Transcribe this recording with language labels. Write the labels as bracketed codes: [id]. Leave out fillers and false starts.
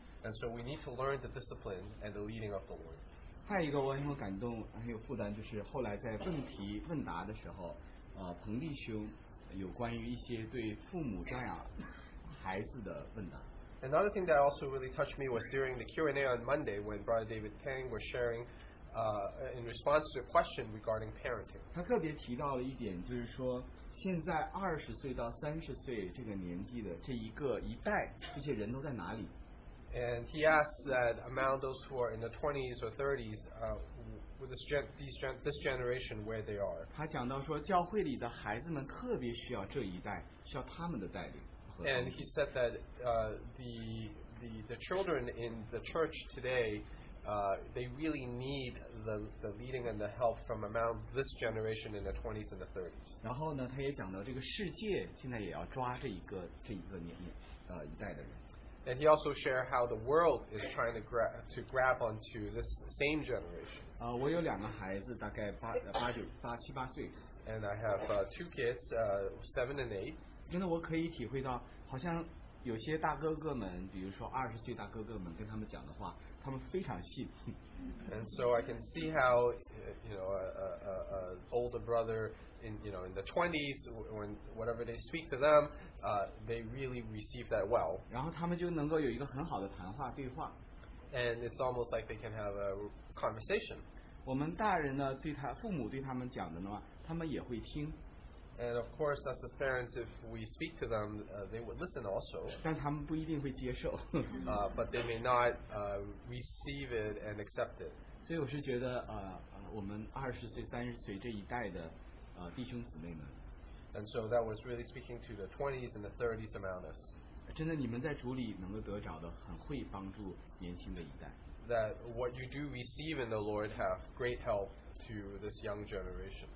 [en] And so we need to learn the discipline and the leading of the Lord. [zh] 还有一个我很有感动很有负担就是后来在问题问答的时候彭弟兄有关于一些对父母教养孩子的问答。 [en] Another thing that also really touched me was during the Q&A on Monday when Brother David Tang was sharing in response to a question regarding parenting. [zh] 他特别提到了一点就是说现在二十岁到三十岁这个年纪的这一个一代，这些人都在哪里？ [en] And he asks that among those who are in the 20s or 30s, this generation where they are. [zh] 他讲到说，教会里的孩子们特别需要这一代，需要他们的带领。 [en] And he said that the children in the church today, they really need the leading and the help from among this generation in the 20s and the 30s. [zh] 然后呢，他也讲到这个世界现在也要抓这一个年龄一代的人。 [en] And he also shared how the world is trying to grab onto this same generation. [zh] 我有两个孩子，大概八岁。 [en] And I have two kids, 7 and 8. [zh] 真的，我可以体会到，好像有些大哥哥们，比如说二十岁大哥哥们，跟他们讲的话，他们非常信。 [en] And so I can see how, you know, a older brother in, you know, in the 20s, when whatever they speak to them, they really receive that well. [zh] 然后他们就能够有一个很好的谈话对话。 [en] And it's almost like they can have a conversation. [zh] 我们大人呢，对他父母对他们讲的呢，他们也会听。 [en] And of course, as the parents, if we speak to them, they would listen also. [zh] 但他们不一定会接受。 [en] but they may not receive it and accept it. [zh] 所以我是觉得，我们二十岁、三十岁这一代的，弟兄姊妹们。 [en] And so that was really speaking to the 20s and the 30s among us. [zh] 真的，你们在主里能够得着的，很会帮助年轻的一代。 [en] That what you do receive in the Lord have great help to this young generation.